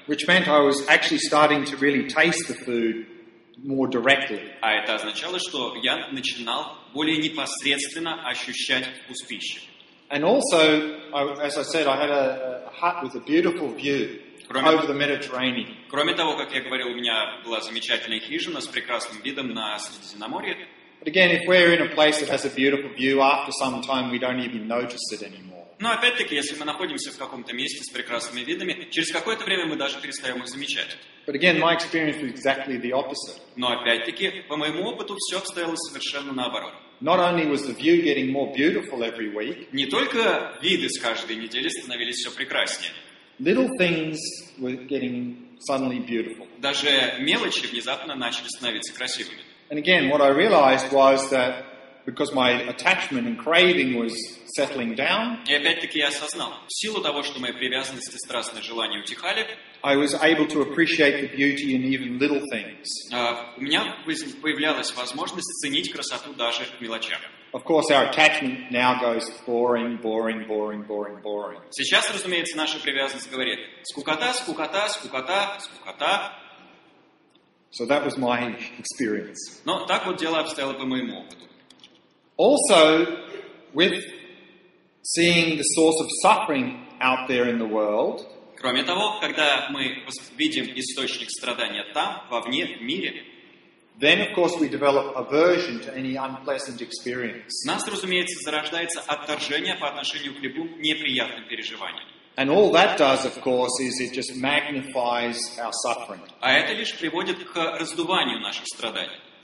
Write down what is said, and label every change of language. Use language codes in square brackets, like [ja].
[en] Which meant I was actually starting to really taste the food more directly. [ru] А это означало, что я начинал более непосредственно ощущать вкус пищи. [en] And also, as I said, I had a hut with a beautiful view. Over the Mediterranean. [ru] Кроме того, как я говорил, у меня была замечательная хижина с прекрасным видом на Средиземноморье. [en] But again, if we're in a place that has a beautiful view, after some time we don't even notice it anymore. [ru] Но опять-таки, если мы находимся в каком-то месте с прекрасными видами, через какое-то время мы даже перестаем их замечать. [en] But again, my experience was exactly the opposite. [ru] Но опять-таки, по моему опыту, все обстояло совершенно наоборот. [en] Not only was the view getting more beautiful every week. [ru] Не только виды с каждой недели становились все прекраснее. [en] Little things were getting suddenly beautiful. [ru] Даже мелочи внезапно начали становиться красивыми. [en] And again, what I realized was that because my attachment and craving was settling down. [ru] И опять-таки я осознал, в силу того, что мои привязанности и страстные желания утихали, [en] I was able to appreciate the beauty in even little things. [ru] У меня появлялась возможность ценить красоту даже в мелочах. [en] Of course, our attachment now goes boring, boring, boring, boring, boring. [ru] Сейчас, разумеется, наша привязанность говорит: скукота, скукота, скукота, скукота. [en] So that was my experience. [ru] Но так вот дело обстояло по моему опыту. [en] Also, with seeing the source of suffering out there in the world. [ru] Кроме того, когда мы видим источник страдания там, вовне, в мире. [en] Then, of course, we develop aversion to any unpleasant experience. [ru] Нас, разумеется, зарождается отторжение по отношению к любым неприятным переживаниям. [en] And all that does, of course, is it just magnifies our suffering. [ru] А это лишь приводит к раздуванию наших страданий.